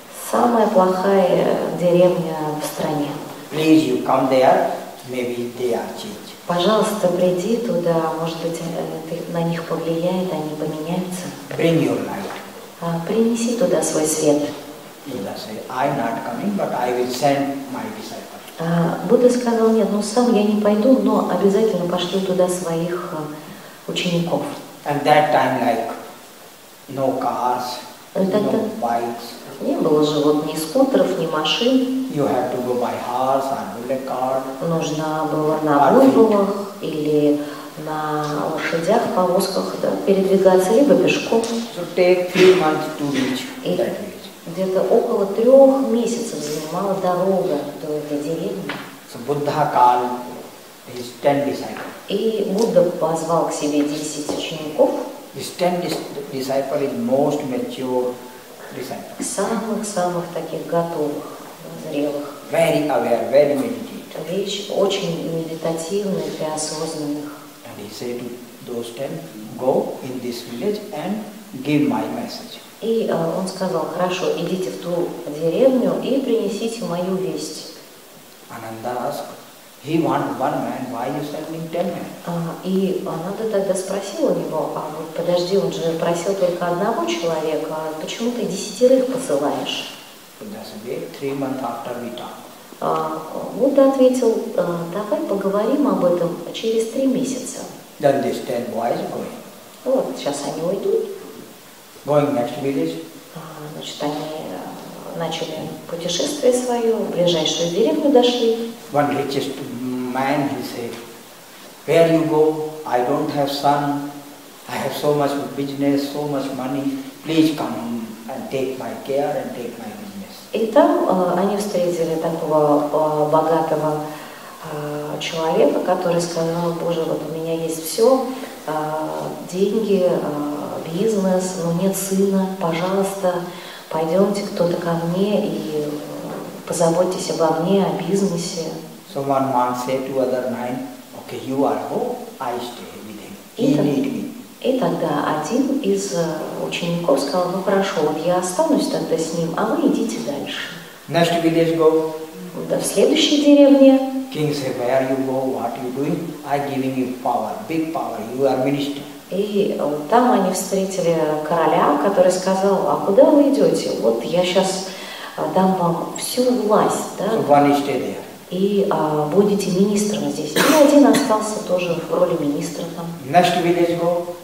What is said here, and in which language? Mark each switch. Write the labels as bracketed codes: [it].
[ru] Самая плохая деревня в стране. [en] Please, you come there. Maybe they are changed. [ru] Пожалуйста, приди туда. Может быть, на них повлияет, они поменяются. [en] Bring your light. [ru] Принеси туда свой свет. [en] Buddha said, I'm not coming, but I will send my disciple. [ru] Будда сказал, нет, ну сам я не пойду, но обязательно пошлю туда своих учеников. [en] And that time, like, no cars, no bikes. [ru] Не было же вот ни скутеров, ни машин. [en] You have to go by horse and bullet cart. [ru] Нужно было на буйволах или на лошадях, повозках, да, передвигаться, либо пешком. [en] So take 3 months to reach that way. [ru] Где-то около 3 месяцев занимала дорога до этой деревни. [en] So Buddha called his 10 disciples. [ru] И Будда позвал к себе 10 учеников. [en] His 10 disciples is most mature disciple. [ru] Самых-самых таких готовых, зрелых. [en] Very aware, very meditative. [ru] Вещь очень медитативная для осознанных. [en] And he said to those 10, go in this village and give my message. [ru] И он сказал, хорошо, идите в ту деревню и принесите мою весть. [en] Ananda asked, he want one man, why you sending 10 men? [ru] И Ананда тогда спросил у него, а вот подожди, он же просил только одного человека, почему ты 10 посылаешь? [en] Buddha said, wait, 3 months after we talk. [ru] Будда ответил, давай поговорим об этом через 3 месяца. [en] Then these 10 boys going. [ru] Вот, сейчас они уйдут. [en] Going next village. [ru] Значит, они начали путешествие свое, в ближайшую деревню дошли. [en] One richest man, he said, where you go? I don't have son. I have so much business, so much money. Please come and take my care and take my business. [ru] И там они встретили такого богатого человека, который сказал, Боже, вот у меня есть все, деньги, бизнес, но нет сына, пожалуйста, пойдемте кто-то ко мне и позаботьтесь обо мне, о бизнесе. [en] So one man said to other 9, okay, you are who? I stay with him. He need me. [ru] И тогда один из учеников сказал, ну хорошо, вот я останусь тогда с ним, а вы идите дальше. [en] Next village go. [ru] Да, в следующей деревне. [en] King said, where you go, what you doing? I giving you power, big power, you are minister. [ru] И там они встретили короля, который сказал, а куда вы идете? Вот я сейчас дам вам всю власть, да? [en] So one stay there. [ru] И будете министром здесь. И один остался тоже в роли министра там. [en] Next village go.